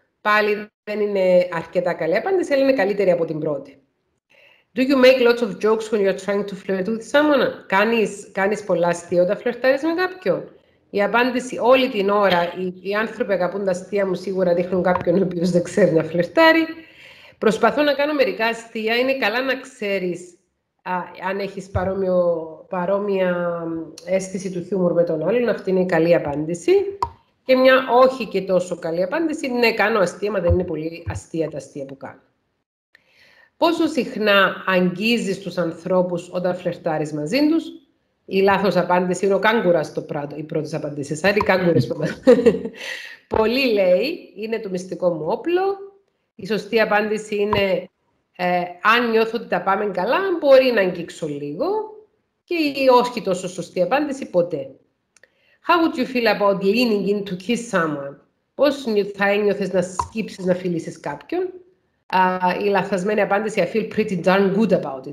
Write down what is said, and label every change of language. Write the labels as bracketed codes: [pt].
[el] Πάλι δεν είναι αρκετά καλή απάντηση, αλλά είναι καλύτερη από την πρώτη. [en] Do you make lots of jokes when you're trying to flirt with someone? [el] Κάνεις πολλά αστεία όταν φλερτάρεις με κάποιον? Η απάντηση όλη την ώρα, οι άνθρωποι αγαπούν τα αστεία μου, σίγουρα δείχνουν κάποιον ο οποίος δεν ξέρει να φλερτάρει. Προσπαθώ να κάνω μερικά αστεία. Είναι καλά να ξέρεις αν έχεις παρόμοια αίσθηση του χιούμορ με τον άλλον. Αυτή είναι η καλή απάντηση. Και μια όχι και τόσο καλή απάντηση, ναι, κάνω αστεία, μα δεν είναι πολύ αστεία τα αστεία που κάνω. Πόσο συχνά αγγίζεις τους ανθρώπους όταν φλερτάρεις μαζί τους? Η λάθος απάντηση είναι ο κάγκουρας το πράγμα, οι πρώτες απαντήσεις. Άρα οι κάγκουρες που μας. Πολύ λέει, είναι το μυστικό μου όπλο. Η σωστή απάντηση είναι Αν νιώθω ότι τα πάμε καλά, μπορεί να αγγίξω λίγο και όχι τόσο σωστή απάντηση ποτέ. [en] How would you feel about leaning in to kiss someone? [el] Πώς θα ένιωθες να σκύψεις να φιλήσεις κάποιον? Η λαθασμένη απάντηση, [en] I feel pretty darn good about it.